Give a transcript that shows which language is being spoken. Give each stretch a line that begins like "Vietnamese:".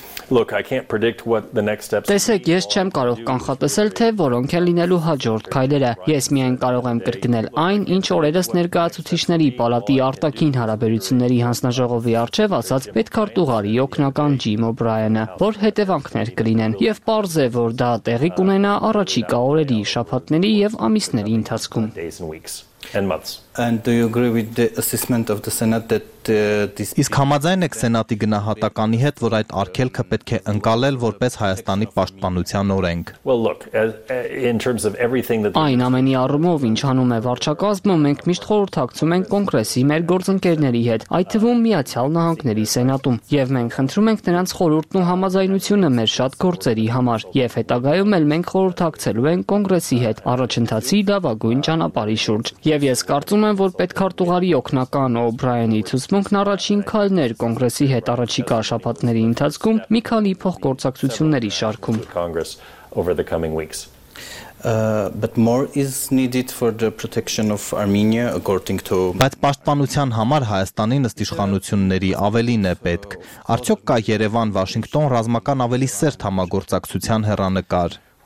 English: Look, I can't predict what the next steps.
Armenian: Տեսեք, ես չեմ կարող կանխատեսել, թե որոնք են լինելու հաջորդ քայլերը։ Ես միայն կարող եմ կրկնել այն, ինչ օրերս ներկայացուցիչների պալատի արտաքին հարաբերությունների հանձնաժողովի առջև ասաց պետքարտուղարի օգնական Ջիմ Օ'Բրայենը, որ հետևանքներ կլինեն, և պարզ է, որ դա տեղի կունենա առաջիկա օրերի, շաբաթների և ամիսների ընթացքում։
English: And do you agree with the assessment of the Senate that this
Armenian: Իսկ համաձայն եք Սենատի գնահատականի հետ, որ այդ արգելքը պետք է ընկալել որպես Հայաստանի պաշտպանության օրենք։ Այն ամենի առումով, ինչ անում է վարչակազմը, մենք միշտ խորհրդակցում ենք կոնգրեսի մեր գործընկերների հետ, այդ թվում Միացյալ Նահանգների Սենատում, եւ մենք խնդրում ենք նրանց խորհուրդն ու համաձայնությունը մեր շատ գործերի համար, եւ հետագայում էլ մենք խորհրդակցելու ենք կոնգրեսի հետ առաջընթացի լավագույն ճանապարհի շուրջ։ Եվ ես կարծում եմ, որ պետքարտուղարի օգնական Օ'Բրայենի ցուցմունքն առաջին քայլներ կոնգրեսի հետ առաջիկա շաբաթների ընթացքում մի քանի փոխգործակցությունների շարքում։
English: But more is needed for the protection of Armenia according to
Armenian: Բայց պաշտպանության համար Հայաստանի ըստ իշխանությունների ավելին է պետք։ Արդյոք կա Երևան-Վաշինգտոն ռազմական ավելի սերտ համագործակցության հեռանկար։